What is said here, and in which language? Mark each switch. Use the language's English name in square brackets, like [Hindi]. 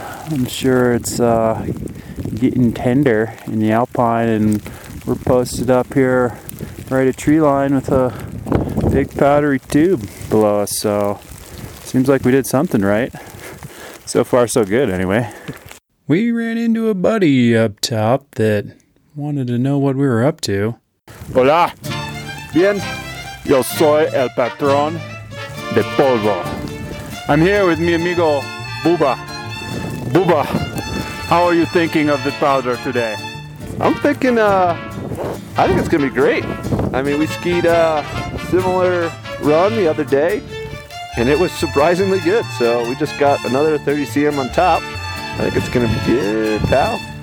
[English] I'm sure it's getting tender in the Alpine, and we're posted up here right at tree line with a big powdery tube below us, so seems like we did something right. So far so good anyway. We ran into a buddy up top that wanted to know what we were up to. [Spanish] Hola, bien, yo soy el patrón de polvo. [English] I'm here with [Spanish] mi amigo [English] Bubba. Bubba, how are you thinking of the powder today? I'm thinking, I think it's gonna be great. I mean, we skied a similar run the other day and it was surprisingly good. So we just got another 30 cm on top. I think it's gonna be good, pal.